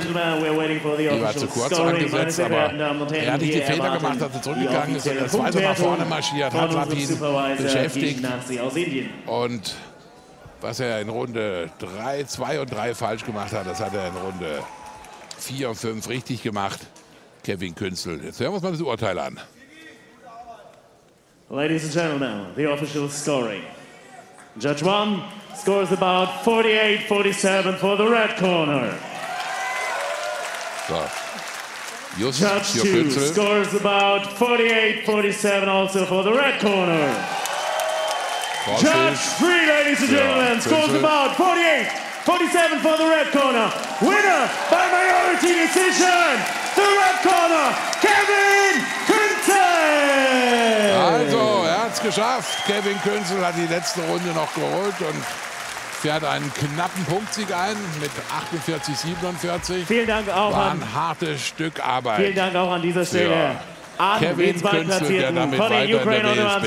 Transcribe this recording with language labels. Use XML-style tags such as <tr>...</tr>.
<de>Die war zu kurz angesetzt, aber er hat nicht die Fehler gemacht, hat sie zurückgegangen, ist das zweite Mal vorne marschiert, hat Lapin beschäftigt. Und was er in Runde 3, 2 und 3 falsch gemacht hat, das hat er in Runde 4 und 5 richtig gemacht, Kevin Künzel. Jetzt hören wir uns mal das Urteil an.</de> <en>Ladies and gentlemen, the official scoring. Judge 1 scores about 48-47 for the red corner. So. Just Judge 2 scores about 48-47 also for the red corner. Vorsicht. Judge 3, ladies and gentlemen, scores about 48-47 for the red corner. Winner by majority decision, the red corner, Kevin Künzel!</en> <de>Also, er hat es geschafft. Kevin Künzel hat die letzte Runde noch geholt und fährt einen knappen Punktsieg ein mit 48-47. Vielen Dank auch an hartes Stück Arbeit. Vielen Dank auch an dieser Stelle. An Kevin Künzel, der damit von den Ukraine in der BSB.</de>